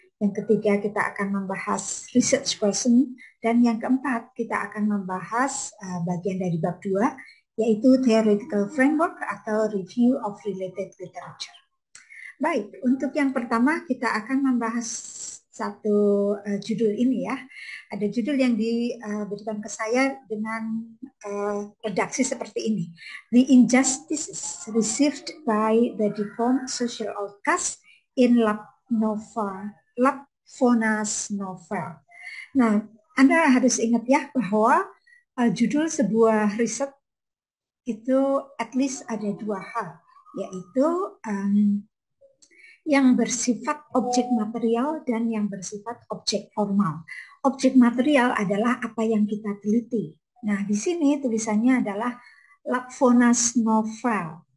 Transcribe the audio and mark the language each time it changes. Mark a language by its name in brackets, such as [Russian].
[Indonesian] Yang ketiga kita akan membahas [English] research person. [Indonesian] Dan yang keempat kita akan membahas bagian dari bab dua, yaitu [English] theoretical framework [Indonesian] atau [English] review of related literature. [Indonesian] Baik, untuk yang pertama kita akan membahas satu judul ini ya. Ada judul yang diberikan ke saya dengan redaksi seperti ini. [English] The injustices received by the deformed social outcast in Lapfona's novel. [Indonesian] Nah, Anda harus ingat ya bahwa judul sebuah riset itu at least ada dua hal, yaitu yang bersifat objek material dan yang bersifat objek formal. Objek material adalah apa yang kita teliti. Nah, di sini tulisannya adalah Lapfona's novel.